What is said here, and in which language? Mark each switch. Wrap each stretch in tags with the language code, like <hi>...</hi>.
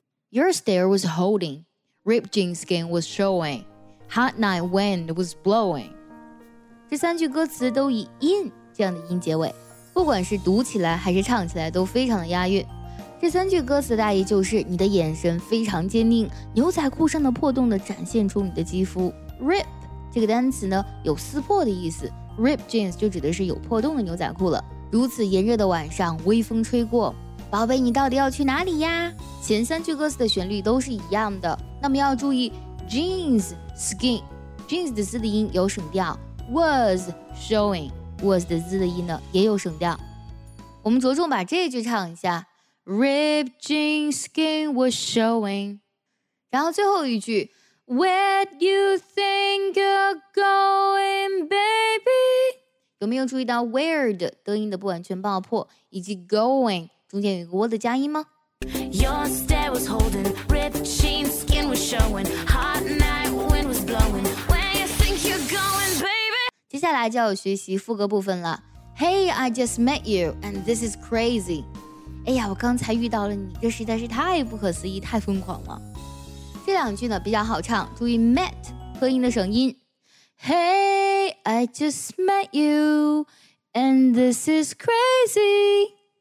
<en>Your stare was holding, ripped jean skin was showing, hot night wind was blowing.</en> <zh>这三句歌词都以 in 这样的音结尾，不管是读起来还是唱起来都非常的押韵。这三句歌词的大意就是你的眼神非常坚定，牛仔裤上的破洞的展现出你的肌肤。 Rip 这个单词呢有撕破的意思 ，Rip jeans 就指的是有破洞的牛仔裤了。如此炎热的晚上，微风吹过。宝贝，你到底要去哪里呀？前三句歌词的旋律都是一样的，那么要注意 jeans skin jeans 的 z 的音有省调 ，was showing was 的 z 的音呢也有省调。我们着重把这句唱一下 ，</zh> <en>rip jeans skin was showing，</en> <zh>然后最后一句 ，</zh> <en>where you think you're going baby，</en> <zh>有没有注意到 where 的得音的不完全爆破，以及 going。中间有一个窝的加音吗</zh> <en>？Your stare was holding, ripped jeans, skin was showing, hot night wind was blowing. Where you think you're going, baby?</en> <zh>接下来就要学习副歌部分了。</zh> <en>Hey, I just met you, and this is crazy.</en> <zh>哎呀，我刚才遇到了你，这实在是太不可思议，太疯狂了。这两句呢比较好唱，注意 met 和音的省音。</zh> <en>Hey, I just met you, and this is crazy.</en>